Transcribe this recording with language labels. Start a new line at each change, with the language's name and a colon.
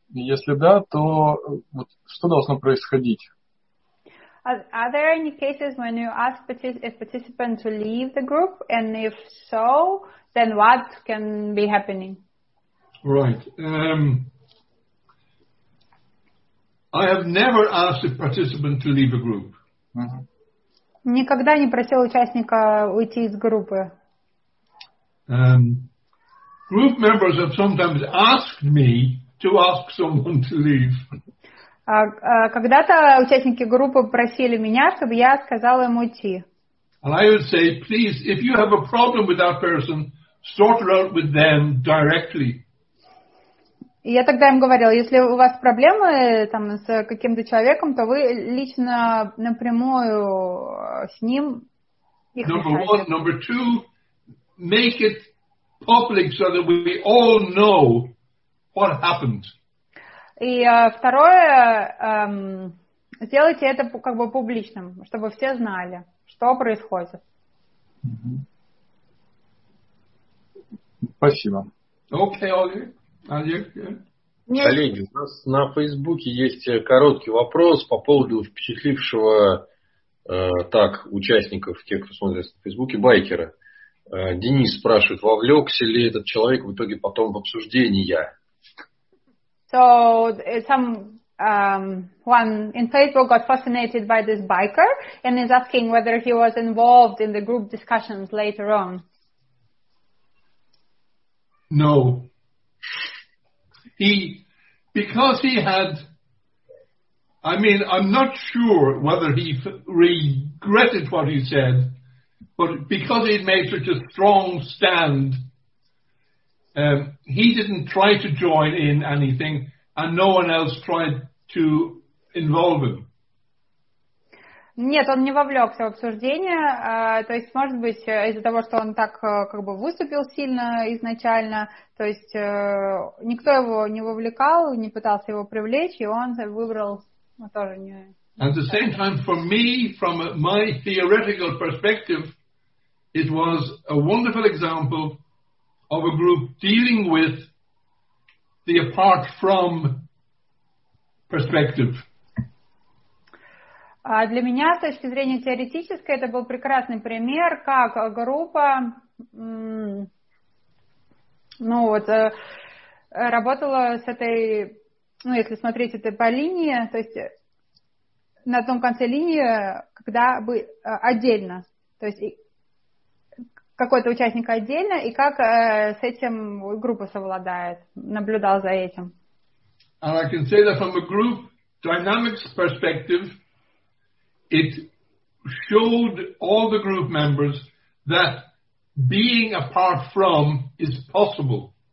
Russian: Если да, то вот что должно происходить?
English: Are there any cases when you ask a participant to leave the group? And if so, then what can be happening? Right. I have never asked a participant to leave a group.
Russian: Никогда не просил участника уйти из группы.
English: Group members have sometimes asked me to ask someone to leave.
Russian: Когда-то участники группы просили меня, чтобы я сказала им уйти.
English: And I would say, please, if you have a problem with that person, sort it out with them directly.
Russian: Я тогда им говорил, если у вас проблемы там с каким-то человеком, то вы лично напрямую с ним их.
English: Number one, number two, make it public so that we all know what happened.
Russian: И второе, сделайте это как бы публичным, чтобы все знали, что происходит. Mm-hmm. Спасибо.
English: Okay, Олег. Yeah. Yes.
Russian: Коллеги, у нас на Фейсбуке есть короткий вопрос по поводу впечатлившего так, участников, тех, кто смотрит в Фейсбуке, байкера. Денис спрашивает, вовлекся ли этот человек в итоге потом в обсуждения?
English: So, some one in Facebook got fascinated by this biker and is asking whether he was involved in the group discussions later on. No. He, because he had, I mean, I'm not sure whether he regretted what he said, but because he'd made such a strong stand, he didn't try to join in anything, and no one else tried to involve him.
Russian: Нет, он не вовлекся в обсуждение, то есть, может быть, из-за того, что он так как бы выступил сильно изначально, то есть никто его не вовлекал, не пытался его привлечь, и он выбрал тоже не.
English: At the same time, for me, from my theoretical perspective, it was a wonderful example of a group dealing with the apart from perspective.
Russian: Для меня, с точки зрения теоретической, это был прекрасный пример, как группа ну, вот, работала с этой, ну, если смотреть это по линии, то есть на том конце линии, когда бы отдельно, то есть какой-то участник отдельно, и как с этим группа совладает, наблюдал за этим.
English: And I can say that from a group dynamics perspective, it showed all the group members that being apart from is possible.